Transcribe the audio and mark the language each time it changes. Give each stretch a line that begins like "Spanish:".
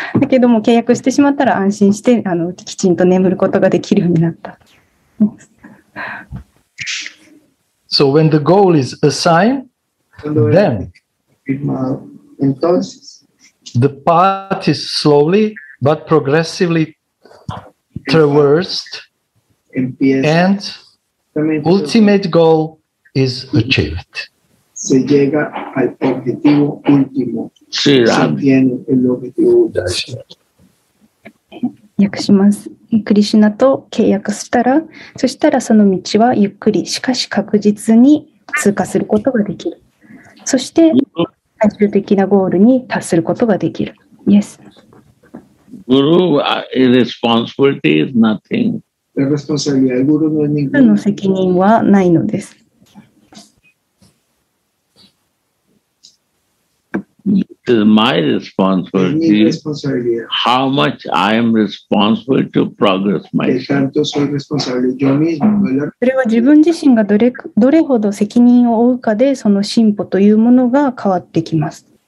Japanese: だけども契約してしまったら安心してきちんと眠ることができるようになった。
English: So when the goal is assigned, then the path is slowly but progressively traversed and ultimate goal is achieved.
Spanish: Se llega al objetivo último. Se tiene el objetivo último.
Japanese: 訳します。クリシナと契約したら、そしたらその道はゆっくりしかし確実に通過することができる。そして最終的なゴールに達することができる。
English: Yes. Guru, responsibility is nothing.
Japanese: Guru の責任はないのです。
English: Is my responsibility. How much I am responsible to progress myself.
Japanese: それは自分自身がどれほど責任を負うかでその進歩というものが変わってきます。